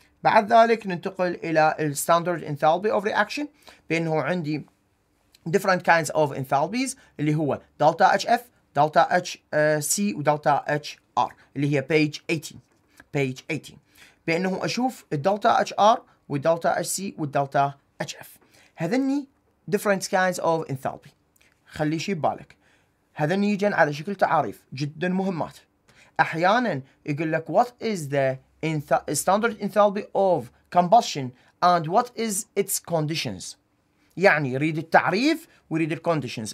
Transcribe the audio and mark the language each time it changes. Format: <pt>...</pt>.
<ar>بعد ذلك ننتقل إلى الستاندرد انثالبي of reaction بأنه عندي</ar> <en>different kinds of enthalpies</en> <ar>اللي هو دلتا HF, دلتا HC ودلتا HR اللي هي page 18 بأنه أشوف الدلتا HR والدلتا HC والدلتا HF هذني</ar> <en>different kinds of enthalpy.</en> <ar>خلي شي ببالك هذن يجن على شكل تعاريف جدا مهمات. أحيانا يقول لك</ar> <en>what is the standard enthalpy of combustion and what is its conditions.</en> <ar>يعني يريد التعريف ويريد الconditions.</ar>